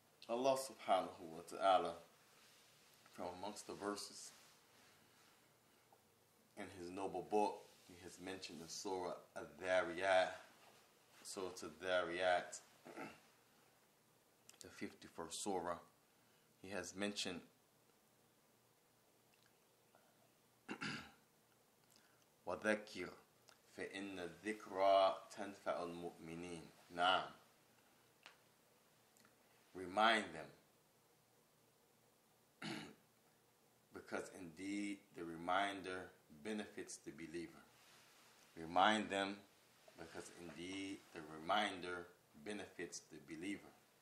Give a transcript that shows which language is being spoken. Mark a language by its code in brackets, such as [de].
[en] Allah subhanahu wa ta'ala, from amongst the verses in his noble book, he has mentioned the surah Adhariyat, surah Adhariyat, the 51st surah. He has mentioned [ar] وَذَكِّرْ فَإِنَّ الذِّكْرَى تَنْفَعُ الْمُؤْمِنِينَ. Naam. [en] Remind them, because indeed the reminder benefits the believer. Remind them, because indeed the reminder benefits the believer.